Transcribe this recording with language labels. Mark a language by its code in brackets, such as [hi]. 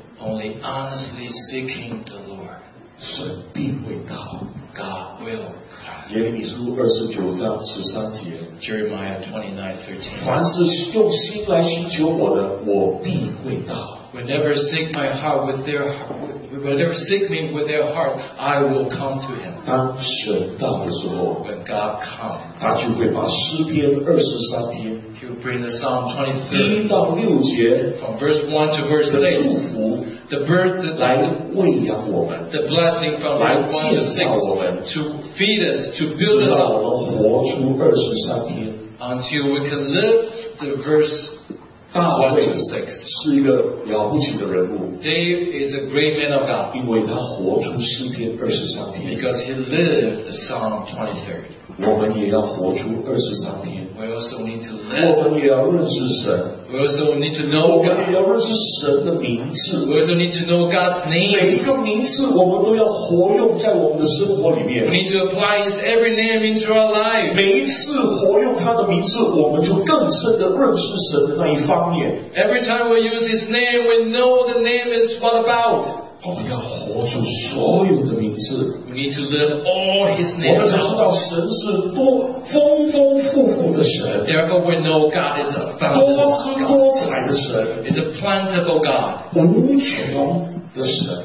[en] Only honestly seeking the Lord. [zh] 神必会到。 [en] God will come. [zh] 耶利米书29章13节。 [en] Jeremiah 29:13. [zh] 凡是用心来寻求我的，我必会到。 [en] Whenever seek my heart with their heart. Whenever seek me with their heart, I will come to him. [zh] 当神到的时候 [en] when God comes, [zh] 他就会把诗篇二十三篇 [en] he will bring the Psalm 23 [zh] 到六节 [en] from verse 1 to verse [zh] 6 祝福 [en] the birth, the, [zh] 来喂养我们 [en] the blessing from verse 1 to 6 to feed us, to build us up [zh] 直到我们活出二十三篇 [en] until we can live the verse 1 to 6 [zh] 是一个了不起的人物 [en] Dave is a great man of God. [zh] 因为他活出诗篇二十三篇 [en] Because he lived the Psalm 23. [zh] 我们也要活出二十三篇 [en] We also need to live. [zh] 我们也要认识神 [en] We also need to know God. [zh] 我们也要认识神的名字 [en] We also need to know God's name. [zh] 每一个名字我们都要活用在我们的生活里面 [en] We need to apply his every name into our life. [zh] 每一次活用他的名字我们就更深地认识神的那一方面 [en] Every time we use his name, we know the name. Is what about? [zh] 我们要活出所有的名字。 [en] We need to learn all His names. [zh] 我们才知道神是多丰丰富富的神。 [en] Therefore, we know God is a bountiful God. [zh] 多姿多彩的神。 [en] It's a plentiful God. [zh] 无穷的神。